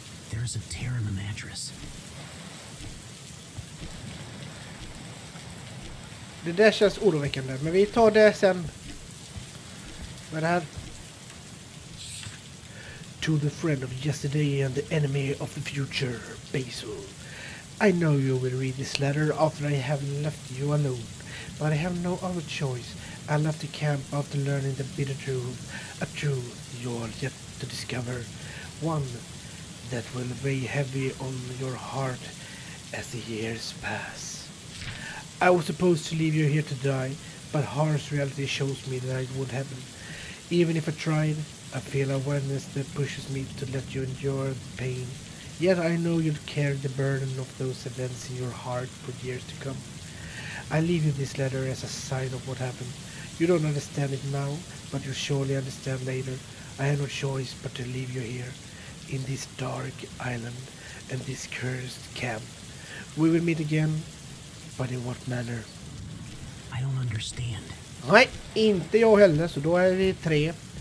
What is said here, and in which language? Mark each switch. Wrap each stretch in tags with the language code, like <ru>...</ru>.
<en>There's a tear in the mattress.</en> <sv>Det där känns oroväckande, men vi tar det sen. Vad är det här?</sv> <en>To the friend of yesterday and the enemy of the future, Basil. I know you will read this letter after I have left you alone, but I have no other choice. I left the camp after learning the bitter truth, a truth you are yet to discover, one that will weigh heavy on your heart as the years pass. I was supposed to leave you here to die, but harsh reality shows me that it would happen, even if I tried. I feel awareness that pushes me to let you endure the pain. Yet I know you'll carry the burden of those events in your heart for years to come. I leave you this letter as a sign of what happened. You don't understand it now, but you'll surely understand later. I have no choice but to leave you here, in this dark island and this cursed camp. We will meet again, but in what manner? I don't understand.</en> <sv>Nej, inte jag heller, så då är vi 3.</sv>